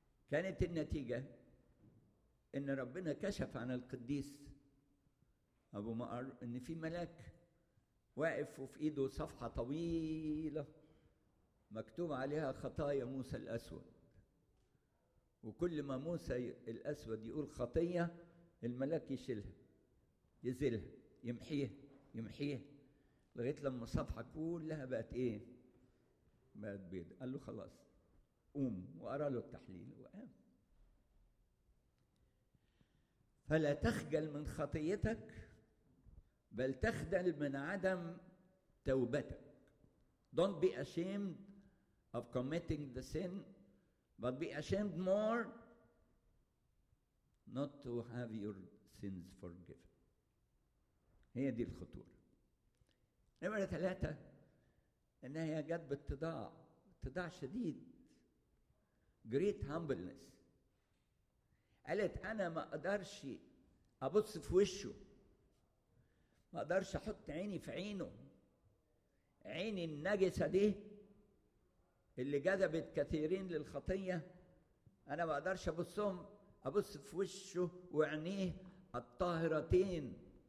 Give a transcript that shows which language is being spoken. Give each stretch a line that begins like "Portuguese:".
Arabic: كانت النتيجة ان ربنا كشف عن القديس ابو مقر ان في ملاك واقف وفي ايده صفحة طويلة مكتوب عليها خطايا موسى الاسود، وكل ما موسى الأسود يقول خطية الملاك يشيلها يزيلها يمحيها يمحيها، لغاية لما صفحة كلها بقت إيه؟ بقت بيض. قال له خلاص قوم، وقرأ له التحليل وقام. فلا تخجل من خطيتك بل تخجل من عدم توبتك.
English: Don't be ashamed of committing the sin but be ashamed more not to have your sins forgiven.
Arabic: هي دي الخطورة. نمرة ثلاثة، انها جت بالتضاع، تضاع شديد،
English: great humbleness.
Arabic: قالت انا ما اقدرش ابص في وشه، ما اقدرش احط عيني في عينه، عيني النجسة دي اللي جذبت كثيرين للخطية، أنا ما أقدرش أبصهم، أبص في وشه وعينيه الطاهرتين.